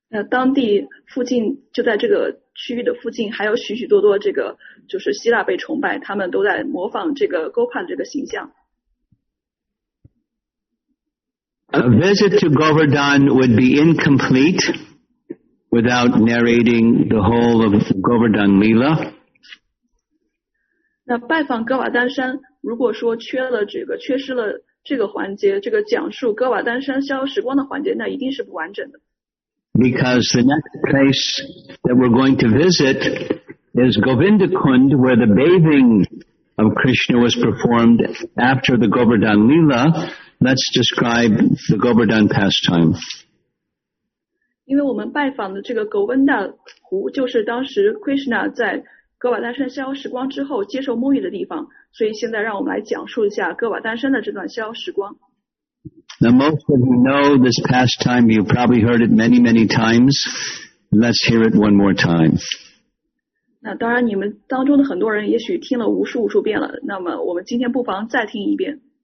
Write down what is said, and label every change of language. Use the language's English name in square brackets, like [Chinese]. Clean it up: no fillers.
[Chinese] 当地附近就在这个区域的附近，还有许许多多这个就是希腊被崇拜，他们都在模仿这个 Gopal 的这个形象。 [English] A visit to Govardhan would be incomplete without narrating the whole of Govardhan Lila. [Chinese] 那拜访哥瓦丹山。如果说缺了这个缺失了这个环节，这个讲述哥瓦丹山逍遥时光的环节，那一定是不完整的。 [English] Because the next place that we're going to visit is Govindakund, where the bathing of Krishna was performed after the Govardhan Lila. Let's describe the Govardhan pastime. [Chinese] 因为我们拜访的这个 Govinda 湖，就是当时 Krishna 在哥瓦丹山逍遥时光之后接受沐浴的地方。所以现在让我们来讲述一下哥瓦丹山的这段逍遥时光。 [English] Now most of you know this pastime, you've probably heard it many, many times. Let's hear it one more time. [Chinese] 那当然，你们当中的很多人也许听了无数无数遍了，那么我们今天不妨再听一遍。